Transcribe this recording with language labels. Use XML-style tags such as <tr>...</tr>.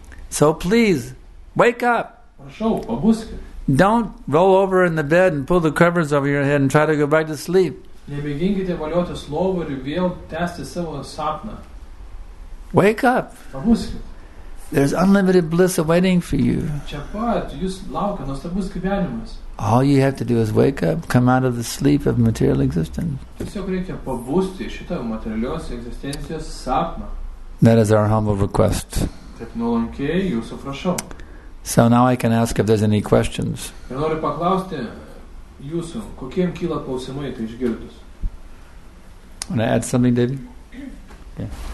<en>So please, wake up. Don't roll over in the bed and pull the covers over your head and try to go back to sleep.</en> <lt>Nebėginkite valiotis lovą ir vėl tęsti savo sapną.</lt> <en>Wake up.</en> <lt>Pabuskit.</lt> <en>There's unlimited bliss awaiting for you.</en> <lt>Čia pat, jūs laukia nuostabus gyvenimas.</lt> <en>All you have to do is wake up, come out of the sleep of material existence.</en> <lt>Tiesiog reikia pabusti iš šito materialios egzistencijos sapną.</lt> <en>That is our humble request.</en> <lt>Taip nuolankiai jūsų prašau.</lt> <en>So now I can ask if there's any questions.</en> <lt>Ir noriu paklausti, jūsų, kokiem kyla klausimai, tai išgirdus?</lt> <en>Want to add something, David? Yeah.</en>